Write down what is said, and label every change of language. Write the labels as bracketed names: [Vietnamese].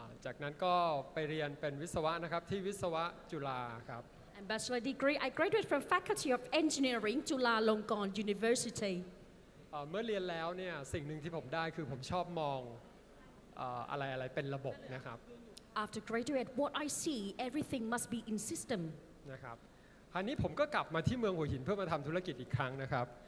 [Thai] จากนั้นก็ไปเรียนเป็นวิศวะนะครับที่วิศวะจุฬาครับ [English] And bachelor degree, I graduated from Faculty of Engineering, จุฬาลงกรณ์ University. [Thai] เมื่อเรียนแล้วเนี่ยสิ่งหนึ่งที่ผมได้คือผมชอบมองอะไรเป็นระบบนะครับ [English] After graduate, what I see, everything must be in system. [Thai] นะครับคราวนี้ผมก็กลับมาที่เมืองหัวหินเพื่อมาทำธุรกิจอีกครั้งนะครับ